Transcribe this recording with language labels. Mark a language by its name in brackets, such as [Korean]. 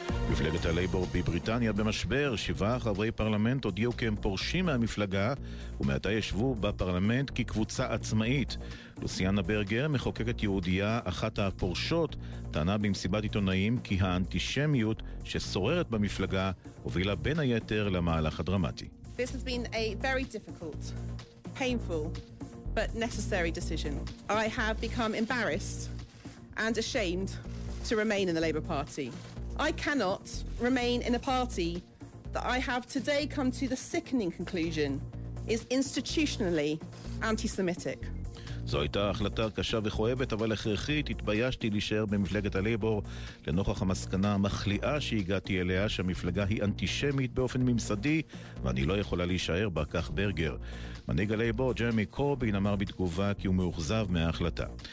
[Hebrew] מפלגת הלייבור בבריטניה במשבר, שבעה חברי פרלמנט הודיעו כי הם פורשים מהמפלגה, ומעתה ישבו בפרלמנט כקבוצה עצמאית. לוסיאנה ברגר, מחוקקת יהודיה, אחת הפורשות, טענה במסיבת עיתונאים כי האנטישמיות ששוררת במפלגה הובילה בין היתר למהלך הדרמטי. [English] This has been a very difficult, painful, but necessary decision. I have become embarrassed and ashamed to remain in the Labour Party. I cannot remain in a party that I have today come to the sickening conclusion is institutionally anti-Semitic. [Hebrew] זו הייתה החלטה קשה וכואבת, אבל הכרחית. התביישתי להישאר במפלגת הלייבור לנוכח המסקנה המחליאה שהגעתי אליה, שהמפלגה היא אנטישמית באופן ממסדי, ואני לא יכולה להישאר בה, כך ברגר. מנהיג הלייבור, ג'רמי קורבין, אמר בתגובה כי הוא מאוכזב מההחלטה.